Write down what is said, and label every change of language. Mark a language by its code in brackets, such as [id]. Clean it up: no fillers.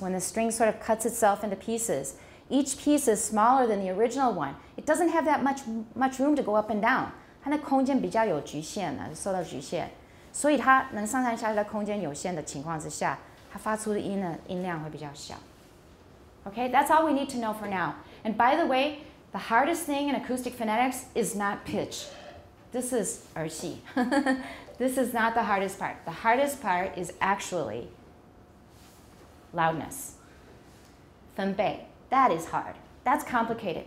[en] When the string sort of cuts itself into pieces, each piece is smaller than the original one. It doesn't have that much room to go up and down. [zh] 它的空间比较有局限的,受到局限。所以它能上上下下的空间有限的情况之下,它发出的音呢,音量会比较小。 [en] Okay, that's all we need to know for now. And by the way, the hardest thing in acoustic phonetics is not pitch. This is 儿戏.This is not the hardest part. The hardest part is actually loudness. 分贝.That is hard. That's complicated.